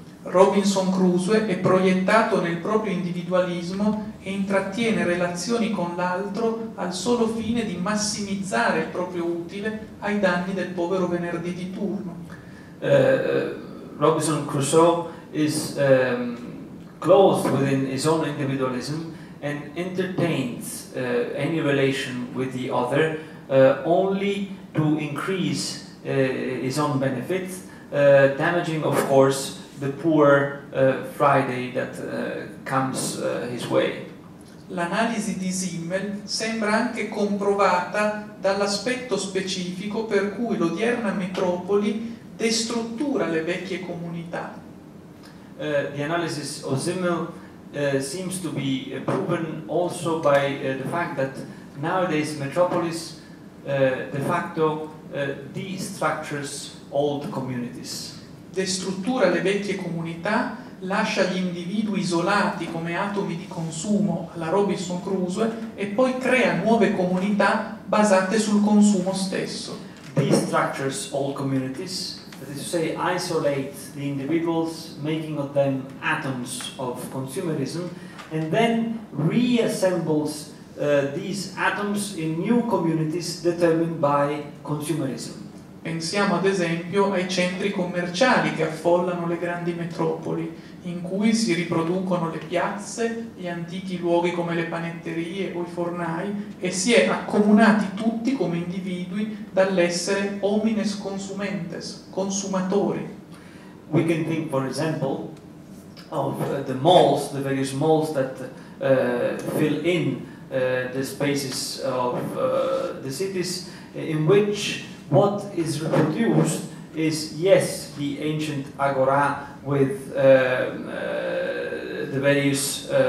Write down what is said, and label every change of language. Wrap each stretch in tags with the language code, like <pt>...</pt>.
<it>Robinson Crusoe è proiettato nel proprio individualismo e intrattiene relazioni con l'altro al solo fine di massimizzare il proprio utile ai danni del povero venerdì di turno.</it> <en>Robinson Crusoe is closed within his own individualism and entertains any relation with the other only to increase his own benefits, damaging of course the poor Friday that comes his way.</en> <it>L'analisi di Simmel sembra anche comprovata dall'aspetto specifico per cui l'odierna metropoli destruttura le vecchie comunità.</it> <en>The analysis of Simmel seems to be proven also by the fact that nowadays metropolis de facto destructures old communities.</en> <it>Destruttura le vecchie comunità, lascia gli individui isolati come atomi di consumo alla Robinson Crusoe e poi crea nuove comunità basate sul consumo stesso.</it> <en>Destructures old communities, that is to say, isolate the individuals, making of them atoms of consumerism, and then reassembles these atoms in new communities determined by consumerism.</en> <it>Pensiamo ad esempio ai centri commerciali che affollano le grandi metropoli, in cui si riproducono le piazze, gli antichi luoghi come le panetterie o i fornai, e si è accomunati tutti come individui dall'essere homines consumentes, consumatori.</it> <en>We can think, for example, of the malls, the various malls that fill in the spaces of the cities, in which what is reproduced is, yes, the ancient agora with the various</en>